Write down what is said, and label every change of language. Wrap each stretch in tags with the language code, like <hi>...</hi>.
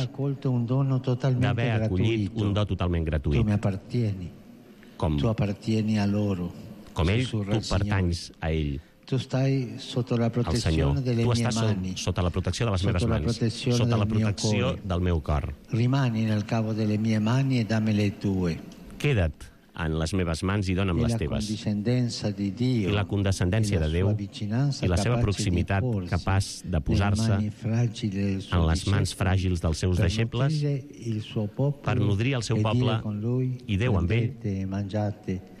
<ca>acollit un do totalment gratuït. Com ell, tu pertanys a ell. Tu estàs sota la protecció de les meves mans, sota la protecció del meu cor.</ca> <it>Rimani nel cavo delle mie mani e dammi le tue.</it> <ca>Queda't en les meves mans i dona'm les teves. I la condescendència de Déu i la seva proximitat capaç de posar-se en les mans fràgils dels seus deixebles per nodrir el seu poble i Déu amb ell.</ca>